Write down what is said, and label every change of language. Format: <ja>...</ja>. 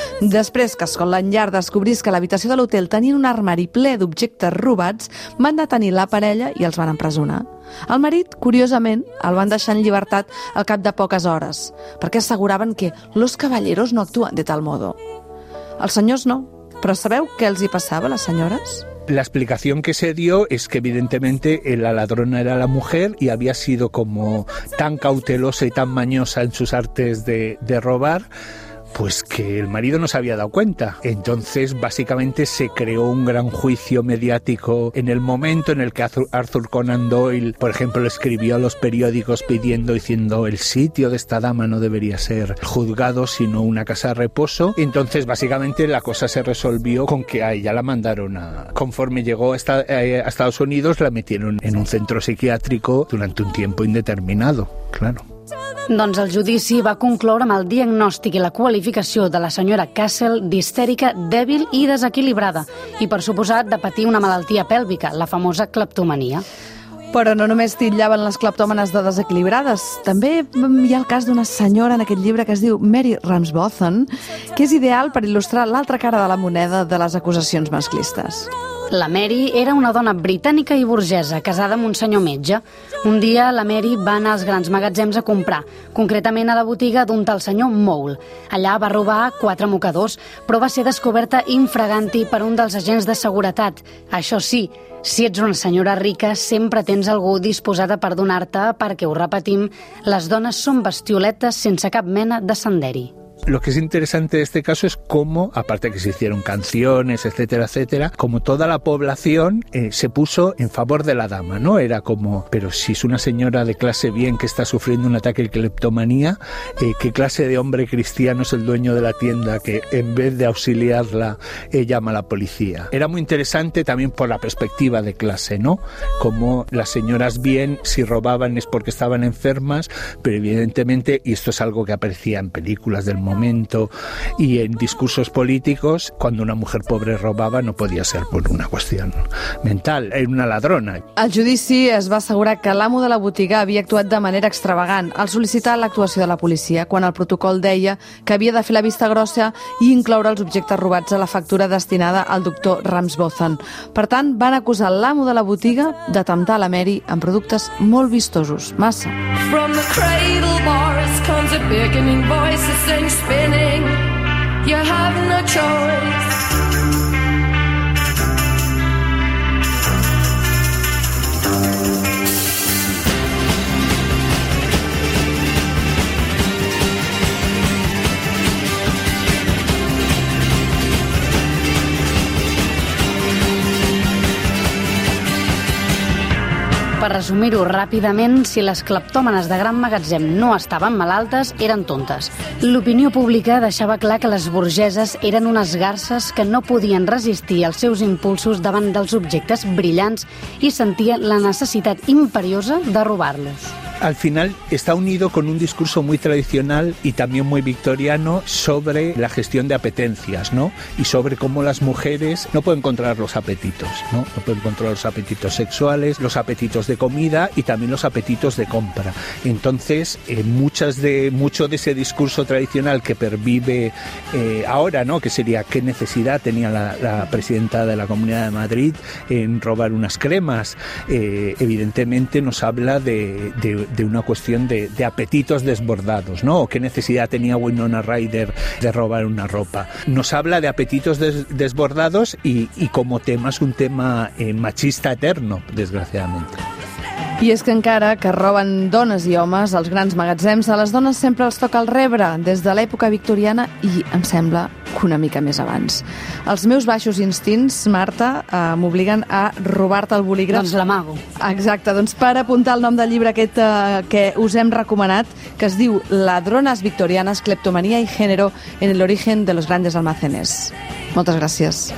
<ca>Després que Scotland Yard descobrís que l'habitació de l'hotel tenia un armari ple d'objectes robats, van detenir la parella i els van empresonar. El marit, curiosament, el van deixar en llibertat al cap de poques hores, perquè asseguraven que</ca> <es>los caballeros no actuen de tal modo.</es> <ca>Els senyors no.</ca> <es>¿Pero sabeu qué les pasaba a las señoras? La explicación que se dio es que evidentemente la ladrona era la mujer y había sido como tan cautelosa y tan mañosa en sus artes de robar, pues que el marido no se había dado cuenta. Entonces, básicamente, se creó un gran juicio mediático en el momento en el que Arthur Conan Doyle, por ejemplo, escribió a los periódicos pidiendo, diciendo, el sitio de esta dama no debería ser juzgado, sino una casa de reposo. Entonces, básicamente, la cosa se resolvió con que a ella la mandaron a... Conforme llegó a Estados Unidos, la metieron en un centro psiquiátrico durante un tiempo indeterminado, claro.</es> <ca>Doncs el judici va concloure amb el diagnòstic i la qualificació de la senyora Castle d'histèrica, dèbil i desequilibrada i, per suposat, de patir una malaltia pèlvica, la famosa cleptomania. Però no només titllaven les cleptòmanes de desequilibrades. També hi ha el cas d'una senyora en aquest llibre que es diu Mary Ramsbotham, que és ideal per il·lustrar l'altra cara de la moneda de les acusacions masclistes. La Mary era una dona britànica i burgesa, casada amb un senyor metge. Un dia, la Mary va anar als grans magatzems a comprar, concretament a la botiga d'un tal senyor Mole. Allà va robar 4 mocadors, però va ser descoberta infraganti per un dels agents de seguretat. Això sí, si ets una senyora rica, sempre tens algú disposat a perdonar-te, perquè, ho repetim, les dones són bestioletes sense cap mena de senderi.</ca> <es>Lo que es interesante de este caso es cómo, aparte que se hicieron canciones, etcétera, etcétera, como toda la población se puso en favor de la dama, ¿no? Era como, pero si es una señora de clase bien que está sufriendo un ataque de cleptomanía, ¿qué clase de hombre cristiano es el dueño de la tienda que en vez de auxiliarla llama a la policía? Era muy interesante también por la perspectiva de clase, ¿no? Como las señoras bien, si robaban es porque estaban enfermas, pero evidentemente, y esto es algo que aparecía en películas del mundo, momento. Y en discursos políticos, cuando una mujer pobre robaba, no podía ser por una qüestió mental, era una ladrona.</es> <ca>El judici es va assegurar que l'amo de la botiga havia actuat de manera extravagant al sol·licitar l'actuació de la policia, quan el protocol deia que havia de fer la vista grossa i incloure els objectes robats a la factura destinada al doctor Ramsbotham. Per tant, van acusar l'amo de la botiga de temptar la Mary amb productes molt vistosos, massa.</ca> <en>From the cradle bars comes a beckoning voice that sings spinning. You have no choice.</en> <ca>Per resumir-ho ràpidament, si les cleptòmanes de gran magatzem no estaven malaltes, eren tontes. L'opinió pública deixava clar que les burgeses eren unes garses que no podien resistir els seus impulsos davant dels objectes brillants i sentien la necessitat imperiosa de robar-los.</ca> <es>Al final está unido con un discurso muy tradicional y también muy victoriano sobre la gestión de apetencias, ¿no? Y sobre cómo las mujeres no pueden controlar los apetitos, ¿no? No pueden controlar los apetitos sexuales, los apetitos de comida y también los apetitos de compra. Entonces, mucho de ese discurso tradicional que pervive ahora, ¿no? Que sería qué necesidad tenía la presidenta de la Comunidad de Madrid en robar unas cremas. Evidentemente nos habla de una cuestión de apetitos desbordados, ¿no? ¿Qué necesidad tenía Winona Ryder de robar una ropa? Nos habla de apetitos desbordados y como tema es un tema machista eterno, desgraciadamente.</es> <ca>I és que encara que roben dones i homes als grans magatzems, a les dones sempre els toca el rebre, des de l'època victoriana i, em sembla, que una mica més abans. Els meus baixos instints, Marta, m'obliguen a robar-te el bolígraf. Doncs l'amago. Exacte, doncs per apuntar el nom del llibre aquest que us hem recomanat, que es diu Ladrones victorianas, cleptomania y género en el origen de los grandes almacenes. Moltes gràcies.</ca>